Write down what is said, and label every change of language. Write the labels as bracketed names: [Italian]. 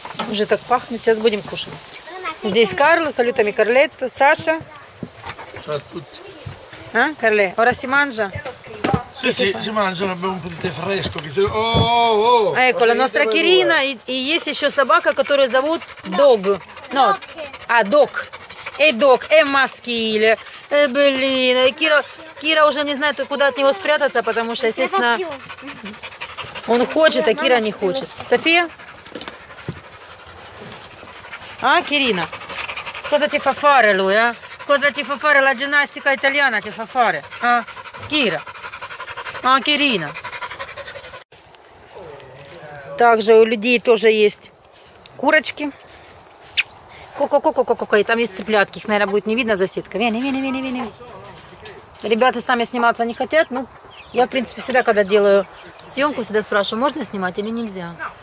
[Russian] Уже так пахнет. Сейчас будем кушать. Здесь Карло, салютами Карлетто, Саша. [Italian] А, Карле, ora si mangia? Sì, sì, si mangia, abbiamo un po' di tè fresco. Ecco, la nostra Kirina e [Russian] есть ещё собака, которую зовут Dog. [Italian] No. А, Dog. E Dog, e maschile. [Russian] E блин, Кира уже не знает, куда от него спрятаться, потому что, естественно, он хочет, а Кира не хочет. София? [Italian] А, Кирина, cosa ti fa fare lui, а? Cosa ti fa fare la ginnastica italiana ti fa fare, а? [Russian] Кира, а, Кирина. Также у людей тоже есть курочки. Ко-ко-ко-ко-ко-ко-ко. И там есть цыплятки. Их, наверное, будет не видно за сеткой. Вене-вене-вене-вене. Ребята сами сниматься не хотят. Ну, я, в принципе, всегда, когда делаю съемку, всегда спрашиваю, можно снимать или нельзя.